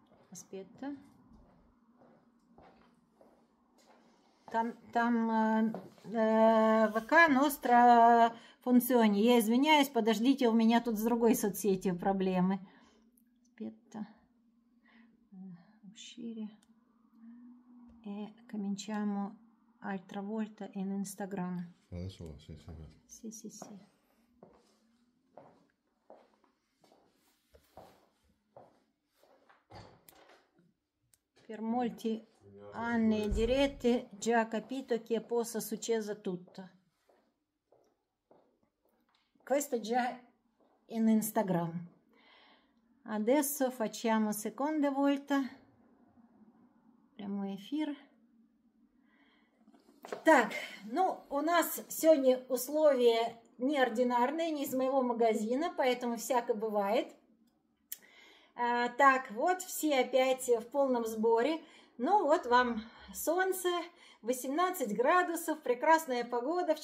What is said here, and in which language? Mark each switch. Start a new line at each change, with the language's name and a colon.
Italian: Аспетта.
Russian: Там ВК Ностра функционе. Я извиняюсь, подождите, у меня тут с другой соцсетью проблемы.
Italian: Аспетта. Шире. E cominciamo altra volta in Instagram. Adesso va, sì, sì. Sì. Per molti anni diretti già capito che possa succedere tutto. Questo già in Instagram. Adesso facciamo seconda volta.
Russian: Прямой эфир. Так, ну, у нас сегодня условия неординарные, не из моего магазина, поэтому всякое бывает. Так, вот все опять в полном сборе. Ну, вот вам солнце, 18 градусов, прекрасная погода.